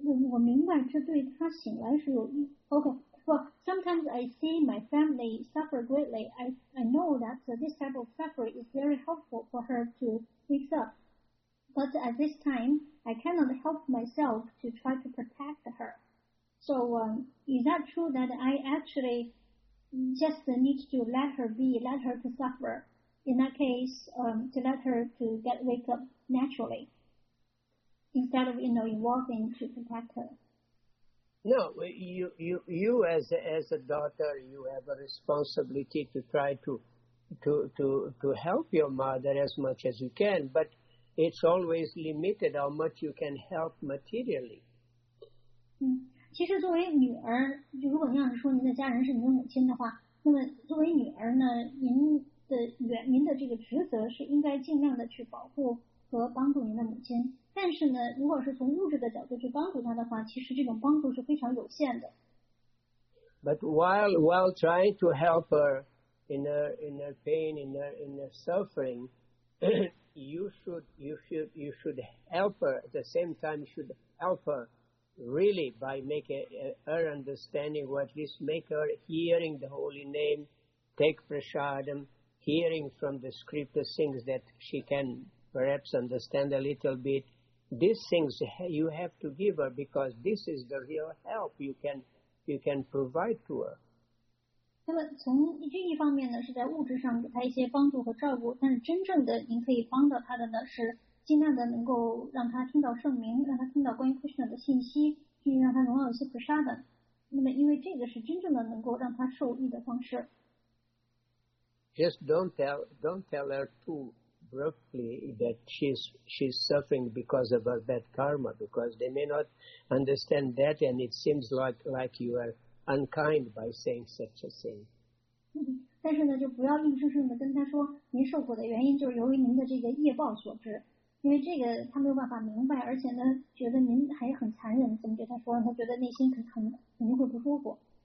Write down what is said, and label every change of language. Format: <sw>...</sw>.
<zh>我明白这对他醒来是有益。</zh> <en>Well, sometimes I see my family suffer greatly. I know that this type of suffering is very helpful for her to wake up. But at this time, I cannot help myself to try to protect her. So, is that true that I actually just need to let her be, let her to suffer? In that case, to let her to get wake up naturally, instead of, you know, involving to protect her. No, you as a daughter, you have a responsibility to try to help your mother as much as you can, but it's always limited how much you can help materially.</en> <zh>其实作为女儿，如果您要是说您的家人是您的母亲的话，那么作为女儿呢，您的这个职责是应该尽量的去保护和帮助您的母亲。但是呢，如果是从物质的角度去帮助她的话，其实这种帮助是非常有限的。</zh> <en>But while trying to help her in her pain, in her suffering, you should help her at the same time. You should help her really by making her understanding, or at least make her hearing the holy name, take prasadam, hearing from the scripture things that she can perhaps understand a little bit. These things you have to give her because this is the real help you can provide to her.</en> <zh>那么从这一方面呢，是在物质上给她一些帮助和照顾，但是真正的您可以帮到她的呢，是尽量的能够让她听到圣名，让她听到关于 Krishna 的信息，并让她能够有些 prasada。那么因为这个是真正的能够让她受益的方式。</zh> <en>Just don't tell her too abruptly that she's suffering because of her bad karma, because they may not understand that, and it seems like you are unkind by saying such a thing.</en> <zh>但是呢，就不要硬生生的跟他说您受苦的原因就是由于您的这个业报所致，因为这个他没有办法明白，而且呢，觉得您还很残忍，怎么对他说，他觉得内心肯定会不舒服。</zh>